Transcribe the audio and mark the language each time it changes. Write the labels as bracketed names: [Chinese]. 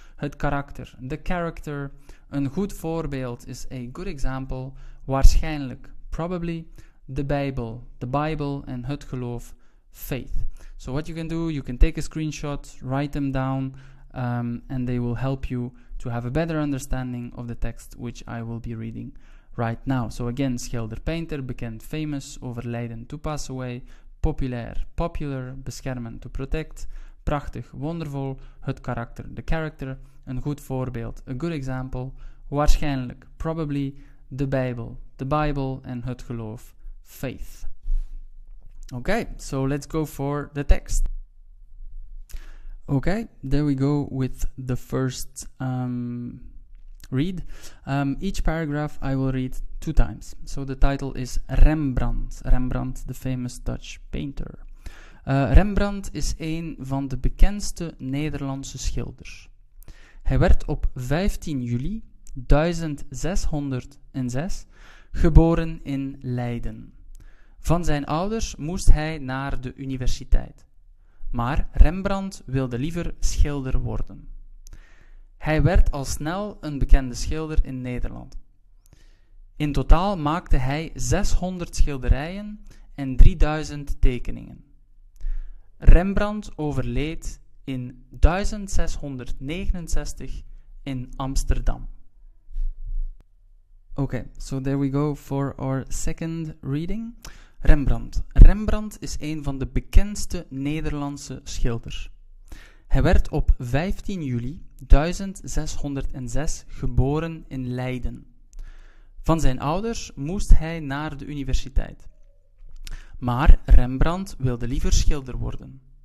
[Dutch] Het karakter, [English] the character. [Dutch] Een goed voorbeeld is [English] a good example. Waarschijnlijk, probably. The Bible, and het geloof, faith. So what you can do, you can take a screenshot, write them down, and they will help you to have a better understanding of the text, which I will be reading right now. So again, Schilder, painter, bekend, famous, overlijden, to pass away, populair, popular, beschermen, to protect, prachtig, wonderful, het karakter, the character, [Dutch] een goed voorbeeld, [English] a good example, waarschijnlijk, probably, the Bible, and het geloof, faith. Okay, so let's go for the text. Okay, there we go with the first read. Each paragraph I will read two times. So the title is Rembrandt. Rembrandt, the famous Dutch painter. [Dutch] Rembrandt is een van de bekendste Nederlandse schilders. Hij werd op 15 juli 1606 geboren in Leiden. Van zijn ouders moest hij naar de universiteit. Maar Rembrandt wilde liever schilder worden. Hij werd al snel een bekende schilder in Nederland. In totaal maakte hij 600 schilderijen en 3000 tekeningen. Rembrandt overleed in 1669 in Amsterdam. [English] Okay, so there we go for our second reading. [Dutch] Rembrandt. Rembrandt is een van de bekendste Nederlandse schilders. Hij werd op 15 juli 1606 geboren in Leiden. Van zijn ouders moest hij naar de universiteit. Maar Rembrandt wilde liever schilder worden.